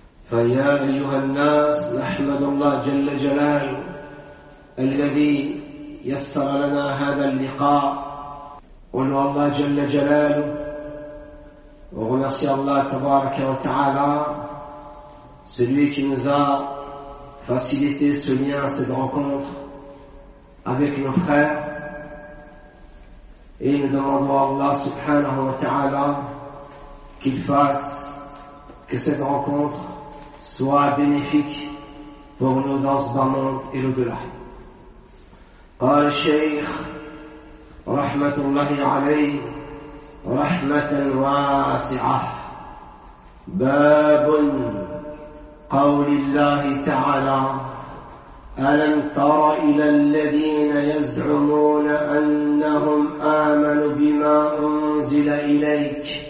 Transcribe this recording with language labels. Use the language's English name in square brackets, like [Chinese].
[Arabic] فيا أيها الناس نحمد الله جل جلاله [French] الذي يسر لنا هذا اللقاء ونعم الله جل جلاله On remercie Allah Tabaraka wa Ta'ala, celui qui nous a facilité ce lien, cette rencontre avec nos frères. Et nous demandons à Allah Subhanahu wa Ta'ala qu'il fasse que cette rencontre soit bénéfique pour nous dans ce bas monde et l'au-delà. Par le Sheikh, [Arabic] Rahmatullahi alayhi, رحمة واسعة باب قول الله تعالى ألم تر إلى الذين يزعمون أنهم آمنوا بما أنزل إليك